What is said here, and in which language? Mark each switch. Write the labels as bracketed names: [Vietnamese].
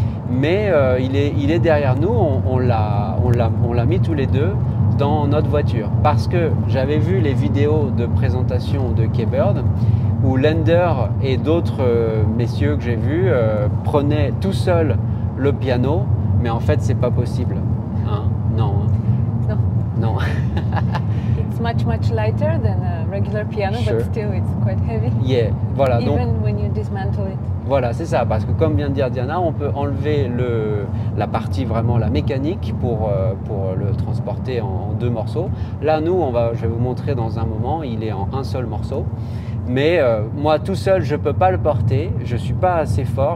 [French] Mais il est derrière nous. On l'a mis tous les deux dans notre voiture parce que j'avais vu les vidéos de présentation de K-Bird où Lender et d'autres messieurs que j'ai vus prenaient tout seul le piano, mais en fait, c'est pas possible. Hein? Non. Non. Non. [English] It's much, much lighter than a regular piano, sure. But still, it's quite heavy. [French] Yeah, voilà. [English] Even [French] donc, [English] when you dismantle it. [French] Voilà, c'est ça, parce que comme vient de dire Diana, on peut enlever la partie vraiment, la mécanique pour le transporter en deux morceaux. Là, nous, je vais vous montrer dans un moment, il est en un seul morceau. Mais moi, tout seul, je ne peux pas le porter. Je ne suis pas assez fort.